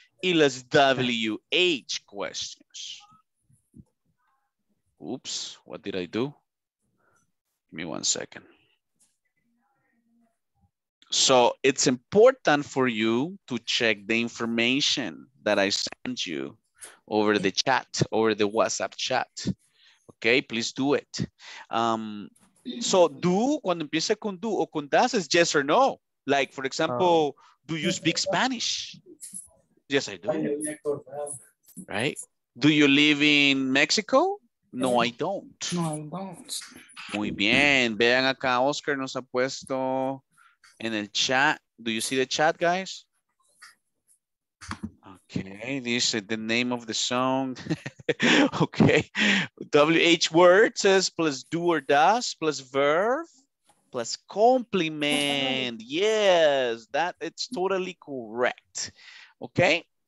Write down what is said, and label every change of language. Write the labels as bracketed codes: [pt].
[es] Y las [en] WH questions. Oops, what did I do? Give me 1 second. So it's important for you to check the information that I sent you over the chat, over the WhatsApp chat. Okay, please do it. [es] So do, cuando empieza con do o con das, [en] is yes or no. Like, for example, do you speak Spanish? Yes, I do. Right? Do you live in Mexico? No, I don't. No, I don't. [es] Muy bien. Vean acá, Oscar nos ha puesto en el chat. [en] Do you see the chat, guys? Okay, this is the name of the song. Okay. WH word says plus do or does plus verb plus compliment. Yes, that it's totally correct. Okay.